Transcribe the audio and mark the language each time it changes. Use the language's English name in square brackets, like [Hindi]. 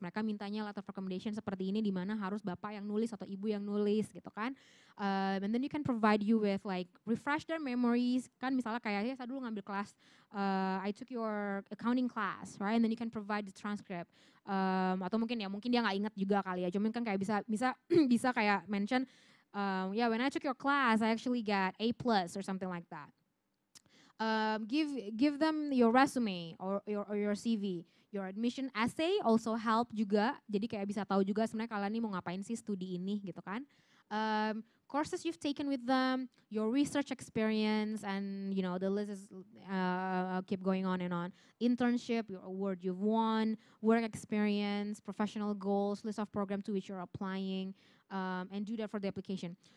[Indonesian] Mereka mintanya letter of recommendation seperti ini di mana harus Bapak yang nulis atau Ibu yang nulis gitu kan. [English] And then you can provide you with like refresh their memories. [Indonesian] Kan misalnya kayak ya, saya dulu ngambil kelas [English] I took your accounting class, right? And then you can provide the transcript. [Indonesian] Atau mungkin ya mungkin dia enggak ingat juga kali ya. Cuman kan kayak bisa kayak mention [English] yeah, when I took your class, I actually got A plus or something like that. Give them your resume or your CV, your admission essay also help juga. [Indonesian] Jadi kayak bisa tahu juga sebenarnya kalian ini mau ngapain sih studi ini gitu kan. [English] Courses you've taken with them, your research experience, and you know the list is keep going on and on. Internship, your award you've won, work experience, professional goals, list of program to which you're applying, and do that for the application.